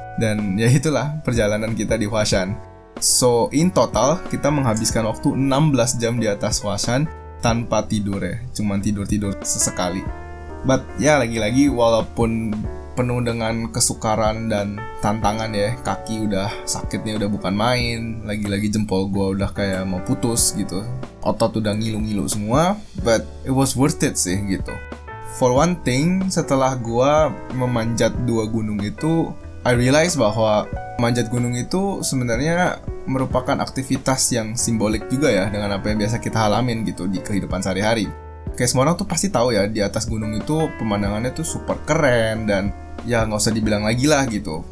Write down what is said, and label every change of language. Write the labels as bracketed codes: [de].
[id] Dan ya itulah perjalanan kita di Huashan. [en] So in total [id] kita menghabiskan waktu 16 jam di atas Huashan tanpa tidur ya, cuman tidur-tidur sesekali. But ya lagi-lagi walaupun penuh dengan kesukaran dan tantangan ya. Kaki udah sakitnya udah bukan main. Lagi-lagi jempol gue udah kayak mau putus gitu. Otot udah ngilu-ngilu semua. [en] But it was worth it [id] sih gitu. [en] For one thing, [id] setelah gue memanjat dua gunung itu, [en] I realize [id] bahwa manjat gunung itu sebenarnya merupakan aktivitas yang simbolik juga ya, dengan apa yang biasa kita alamin gitu di kehidupan sehari-hari. Kayak semua orang tuh pasti tahu ya, di atas gunung itu pemandangannya tuh super keren, dan ya gak usah dibilang lagi lah gitu.